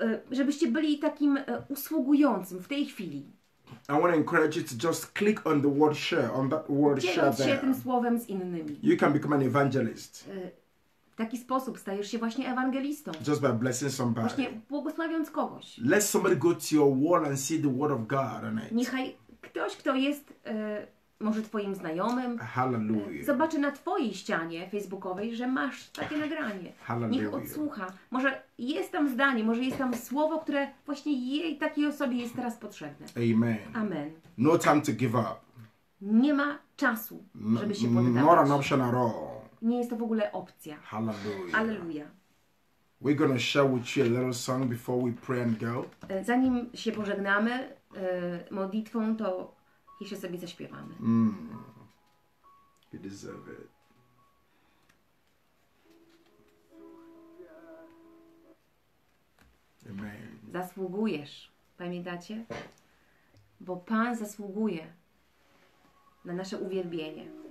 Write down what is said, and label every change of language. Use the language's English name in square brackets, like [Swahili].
[Polish] Żebyście byli takim usługującym w tej chwili. [English] I want to encourage you to just click on the word share, on that word share there. [Polish] Dzieląc się tym słowem z innymi. [English] You can become an evangelist. [Polish] W taki sposób stajesz się właśnie ewangelistą. [English] Just by blessing somebody. [Polish] Właśnie błogosławiąc kogoś. [English] Let somebody go to your wall and see the word of God on it. [Polish] Niechaj ktoś, kto jest może twoim znajomym. [English] Hallelujah. [Polish] Zobaczy na twojej ścianie facebookowej, że masz takie nagranie. [English] Hallelujah. [Polish] Niech odsłucha. Może jest tam zdanie, może jest tam słowo, które właśnie jej, takiej osobie jest teraz potrzebne. Amen. Amen. [English] No time to give up. [Polish] Nie ma czasu, żeby się poddawać. [English] Not an option at all. [Polish] Nie jest to w ogóle opcja. [English] Hallelujah. [Polish] Alleluja. [English] We're gonna share with you a little song before we pray and go. [Polish] Zanim się pożegnamy modlitwą, to jeszcze sobie zaśpiewamy. [English] You deserve it. Amen. [Polish] Zasługujesz, pamiętacie? Bo Pan zasługuje na nasze uwielbienie.